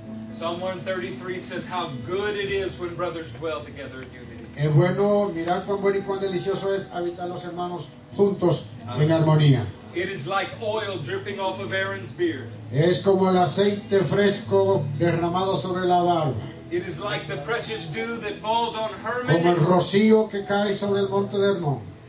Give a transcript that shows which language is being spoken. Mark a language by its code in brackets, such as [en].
[en] Psalm 133 says how good it is when brothers dwell together in unity. [es] Es bueno, mirad cuán bueno y cuán delicioso es habitar los hermanos juntos en armonía. [en] It is like oil dripping off of Aaron's beard. [es] Es como el aceite fresco derramado sobre la barba. [en] It is like the precious dew that falls on Hermon. [es] Como el rocío que cae sobre el monte de Hermón.